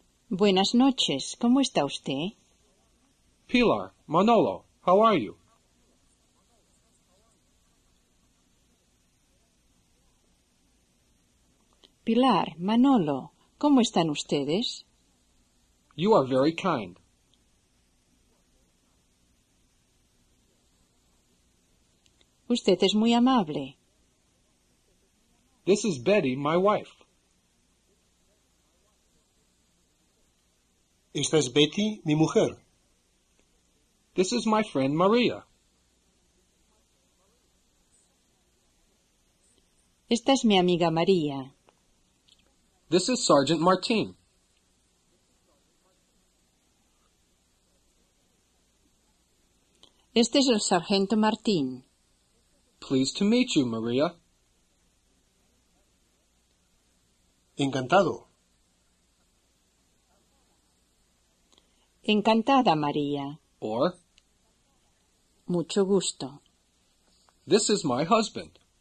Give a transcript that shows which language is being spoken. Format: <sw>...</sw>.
<es>Buenas noches. ¿Cómo está usted?</es> <en>Pilar, Manolo, how are you?</en> <es>Pilar, Manolo, ¿cómo están ustedes?</es> <en>You are very kind.</en> <es>Usted es muy amable.</es> <en>This is Betty, my wife.</en> <es>Esta es Betty, mi mujer.</es> <en>This is my friend Maria.</en> <es>Esta es mi amiga María.</es> <en>This is Sergeant Martin.</en> <es>Este es el Sargento Martín.</es> <en>Pleased to meet you, Maria.</en> <es>Encantado. Encantada, María.</es> <en>Or?</en> <es>Mucho gusto.</es> <en>This is my husband.</en>